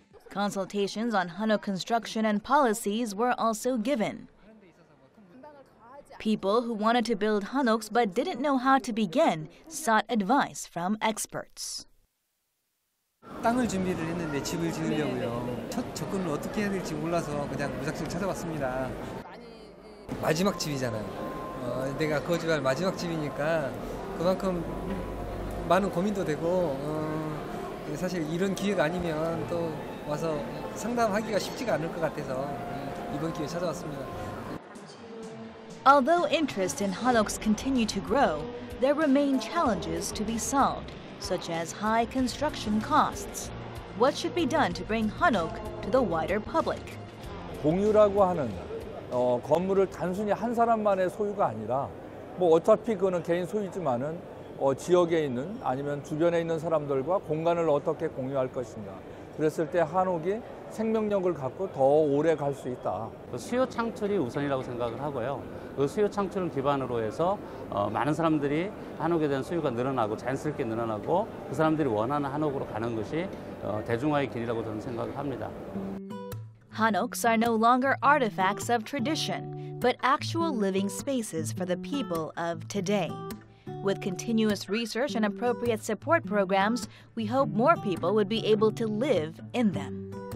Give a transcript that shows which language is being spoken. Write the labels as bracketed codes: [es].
[en] Consultations on Hanok construction and policies were also given. People who wanted to build Hanoks but didn't know how to begin sought advice from experts. [ko] 땅을 준비를 했는데 집을 지으려고요. 첫 접근을 어떻게 해야 될지 몰라서 그냥 무작정 찾아봤습니다. 마지막 집이잖아요. 내가 거주할 마지막 집이니까 그만큼 많은 고민도 되고 사실 이런 기회가 아니면 또 와서 상담하기가 쉽지가 않을 것 같아서 이번 기회에 찾아왔습니다. [en] Although interest in Hanoks continue to grow, there remain challenges to be solved, such as high construction costs. What should be done to bring Hanok to the wider public? [ko] 공유라고 하는 건물을 단순히 한 사람만의 소유가 아니라 뭐 어차피 그거는 개인 소유지만은 지역에 있는 아니면 주변에 있는 사람들과 공간을 어떻게 공유할 것인가. 그랬을 때 한옥이 생명력을 갖고 더 오래 갈 수 있다. 수요 창출이 우선이라고 생각을 하고요. 그 수요 창출을 기반으로 해서 많은 사람들이 한옥에 대한 수요가 늘어나고 자연스럽게 늘어나고 그 사람들이 원하는 한옥으로 가는 것이 대중화의 길이라고 저는 생각을 합니다. [en] Hanoks are no longer artifacts of tradition, but actual living spaces for the people of today. With continuous research and appropriate support programs, we hope more people would be able to live in them.